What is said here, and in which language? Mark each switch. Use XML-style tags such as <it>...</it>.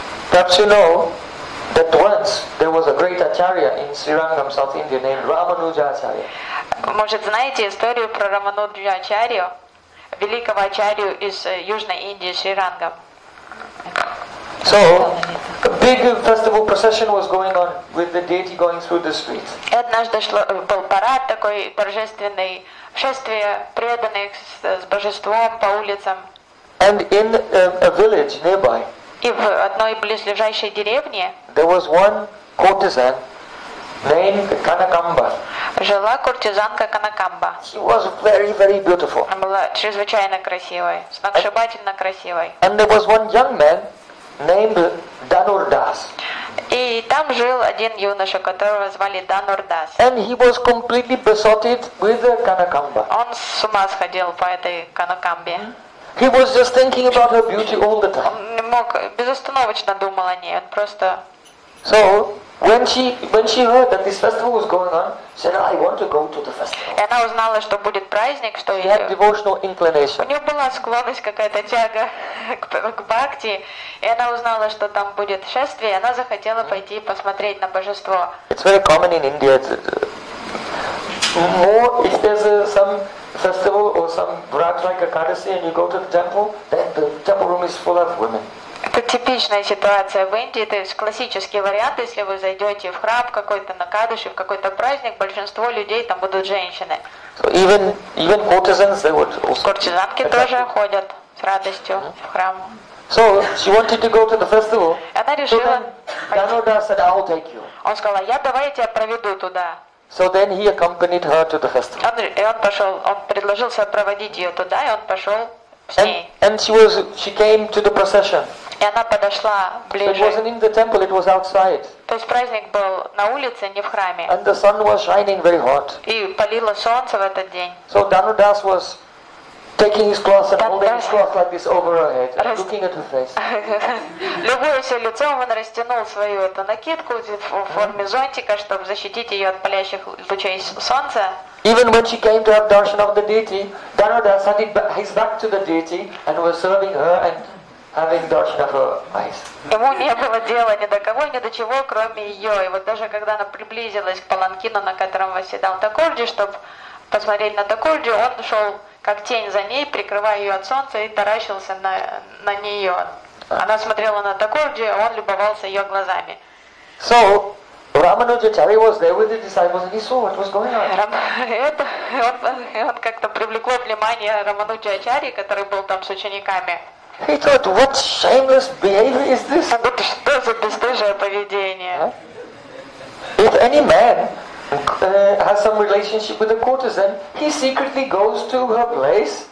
<en>Perhaps you know that once there was a great acharya in Srirangam, South India, named Ramanuja Acharya.</en> <ru>Может знаете историю про Рамануджа Ачарью, великого Ачарью из Южной Индии, Срирангам?</ru> <en>So, a big festival procession was going on with the deity going through the streets.</en> <ru>Однажды был парад такой торжественный, шествие преданных с божеством по улицам.</ru> <en>And in a village nearby.</en> <ru>И в одной близлежащей деревне</ru> <en>there was one courtesan named Kanakamba.</en> <ru>Жила куртизанка Канакамба.</ru> <en>She was very, very beautiful.</en> <ru>Она была чрезвычайно красивой, сногсшибательно красивой.</ru> <en>And there was one young man named Danurdas.</en> <ru>И там жил один юноша, которого звали Данурдас.</ru> <en>And he was completely besotted with Kanakamba.</en> <ru>Он с ума сходил по этой Канакамбе.</ru> <en>He was just thinking about her beauty all the time.</en> <ru>Он не мог, безостановочно думал о ней, он просто...</ru> <en>So, when she heard that this festival was going on, she said, I want to go to the festival.</en> <ru>И она узнала, что будет праздник, что...</ru> <en>She had devotional inclination.</en> <ru>У нее была склонность, какая-то тяга к бхакти, и она узнала, что там будет шествие, и она захотела пойти посмотреть на божество.</ru> <en>It's very common in India. More if there's some festival or some vrat like a Kadasi and you go to the temple, then the temple room is full of women.</en> <ru>Это типичная ситуация в Индии, то есть классический вариант, если вы зайдете в храм какой-то на Кадыши, в какой-то праздник, большинство людей там будут женщины.</ru> <en>So even courtesans, they would also...</en> <ru>Куртизанки тоже ходят с радостью в храм.</ru> <en>So she wanted to go to the festival.</en> <ru>Она решила...</ru> <en>Данурдас said, I'll take you.</en> <ru>Он сказал, я давай тебя проведу туда.</ru> <en>So then he accompanied her to the festival.</en> <ru>Он предложил сопроводить ее туда, и он пошел</ru> <en>And she came to the procession.</en> <ru>И она подошла ближе.</ru> <en>It wasn't in the temple, it was outside.</en> <ru>То есть праздник был на улице, не в храме.</ru> <en>And the sun was shining very hot.</en> <ru>И палило солнце в этот день.</ru> <en>So Dhanudas was taking his cloth and holding his cloth like this over her head, and looking at her face.</en> <ru>Любуясь лицом, он растянул свою эту накидку в форме зонтика, чтобы защитить ее от палящих лучей солнца.</ru> <en>Even when she came to have darshan of the deity, Dhanudas had his back to the deity and was serving her and having darshan of her eyes.</en> <ru>Ему не было дела ни до кого, ни до чего, кроме ее. И вот даже когда она приблизилась к паланкину, на котором восседал Такурджи, чтобы посмотреть на Такурджи, он шел как тень за ней, прикрывая ее от солнца, и таращился на нее. Она смотрела на Такурджи, а он любовался ее глазами.</ru> <en>So, Рамануджачари was there with the disciples, and he saw what was going on.</en> <ru>Он как-то привлекло внимание Рамануджачари, который был там с учениками.</ru> <en>He thought, what shameless behavior is this?</en> <ru>Что за бесстыжее поведение?</ru> <en>If any man has some relationship with a courtesan, he secretly goes to her place.</en>